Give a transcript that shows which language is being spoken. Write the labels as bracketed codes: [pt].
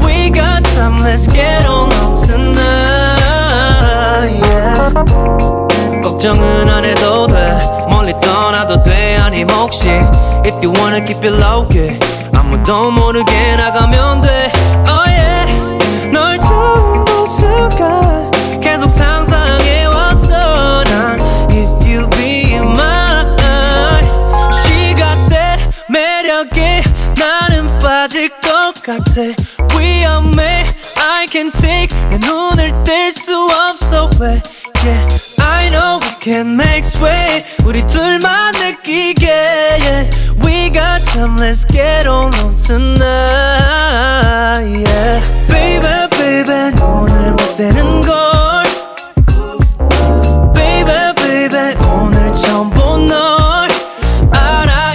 [en] We got time, let's get on tonight, yeah. [ko] 걱정은 안 해도 돼. 멀리 떠나도 돼. 아님 혹시 [en] if you wanna keep it low-key, [ko] 아무도 모르게 나가면 돼. [en] Oh yeah, [ko] 널 처음 볼 순간 계속 상상해왔어. [en] 난 if you be mine, she got that [ko] 매력에 나는 빠질 것 같아. [en] We are made, I can take [ko] 내 눈을 뗄 수 없어. [en] Wait, yeah. I know we can make sway. [ko] 우리 둘만 느끼게, yeah. [en] We got time, let's get on tonight, yeah. Baby, baby, [ko] 오늘 못 되는 걸. [en] Baby, baby, [ko] 오늘 처음 본 널 알아.